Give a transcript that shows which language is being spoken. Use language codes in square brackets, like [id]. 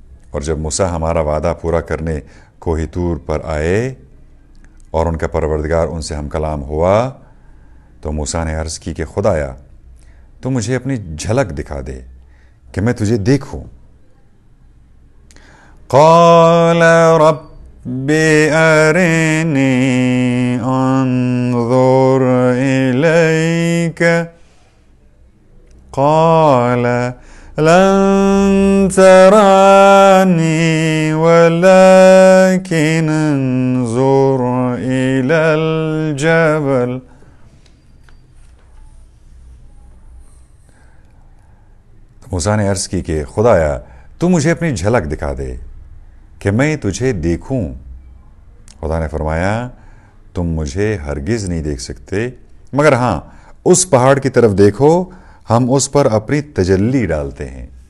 [ur] اور جب موسیٰ ہمارا وعدہ پورا کرنے کوہ طور پر آئے اور ان کا پروردگار ان سے ہم کلام ہوا تو موسیٰ نے عرض کی کہ خدایا تو مجھے اپنی جھلک دکھا دے کہ میں تجھے دیکھوں. [ar] قال رب ارنی انظر الیک قال لن ترانی ولكن انظر الى الجبل. [ur] موسیٰ نے عرض کی کہ خدایا تو مجھے اپنی جھلک دکھا دے کہ میں تجھے دیکھوں. خدا نے فرمایا تم مجھے ہرگز نہیں دیکھ سکتے مگر ہاں اس پہاڑ کی طرف دیکھو, ہم اس پر اپنی تجلی ڈالتے ہیں.